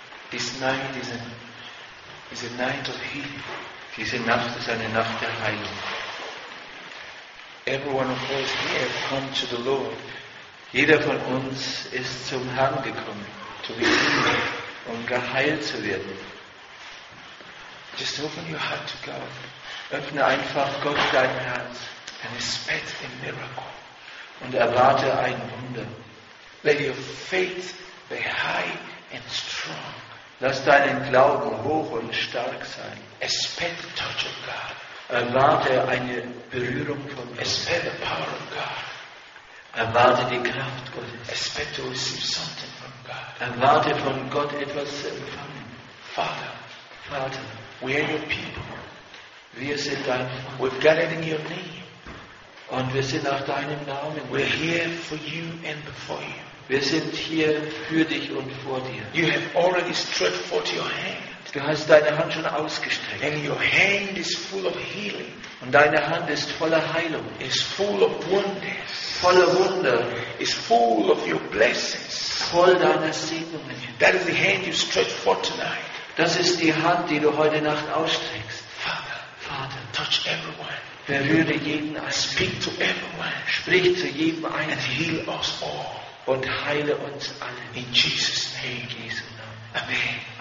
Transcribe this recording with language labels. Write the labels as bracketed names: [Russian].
[English] This night is a night of healing. It is enough to send enough to heal. Every one of us here come to the Lord. [German] Jeder von uns ist zum Herrn gekommen, [English] to be healed, [German] um geheilt zu werden. [English] Just open your heart to God. [German] Öffne einfach Gott dein Herz [English] and expect a miracle. [German] Und erwarte ein Wunder. [English] Let your faith be high and strong. [German] Lass deinen Glauben hoch und stark sein. [English] Expect the touch of God. [German] Erwarte eine Berührung von Gott. [English] Expect the power of God. [German] Erwarte die Kraft Gottes. [English] Expect to receive something from God. [German] Erwarte von Gott etwas zu empfangen. [English] Father. [German] Vater. [English] We are your people. [German] Wir sind dein Volk. [English] We've gathered in your name. [German] Und wir sind nach deinem Namen. [English] We're here for you and before you. [German] Wir sind hier für dich und vor dir. [English] You have already stretched forth your hand. [German] Du hast deine Hand schon ausgestreckt. [English] And your hand is full of healing. [German] Und deine Hand ist voller Heilung. [English] It's full of wonders. [German] Voller Wunder. [English] It's full of your blessings. [German] Voll deiner Segnungen. [English] That is the hand you stretch forth tonight. [German] Das ist die Hand, die du heute Nacht ausstreckst. [English] Father, [German] Vater, [English] touch everyone. [German] Berühre jeden. [English] Speak to everyone. [German] Sprich zu jedem ein. [English] And heal us all. [German] Und heile uns alle. [English] In Jesus' name. [German] In Jesu Namen. Amen.